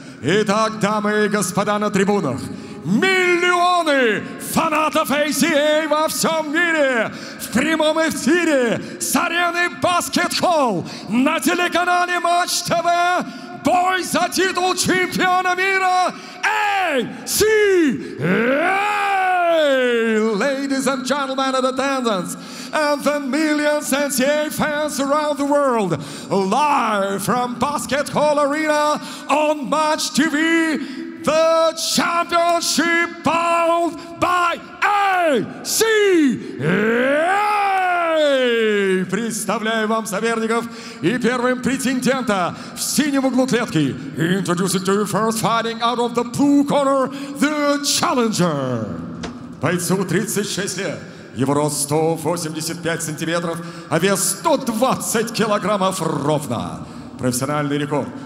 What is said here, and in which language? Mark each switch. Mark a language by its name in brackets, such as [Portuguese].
[Russian] Итак, дамы и господа на трибунах, миллионы фанатов ACA во всем мире, в прямом эфире с арены Баскетхолл на телеканале Матч ТВ, бой за титул чемпиона мира ACA! [English] Ladies and gentlemen in attendance, and the millions of ACA fans around the world, live from Baskethall Arena on Match TV, the championship bound by ACA! [Russian] Представляю вам соперников и первым претендента в синем углу клетки. [English] Introducing to you first fighting out of the blue corner, the challenger. [Russian] Бойцу 36 лет. Его рост 185 сантиметров, а вес 120 килограммов ровно. Профессиональный рекорд.